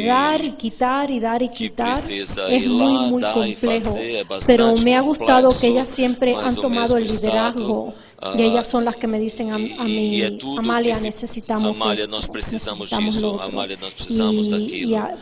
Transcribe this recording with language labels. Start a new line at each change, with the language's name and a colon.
Portuguese: de dar e quitar e dar e quitar é muito, muito complexo. Mas
Spanish: me ha gustado que ellas siempre han tomado el liderazgo.
Portuguese: E elas são as que me dizem a mim, e Amália, necessitamos isso. Amália, nós precisamos disso. Amália, nós precisamos daquilo.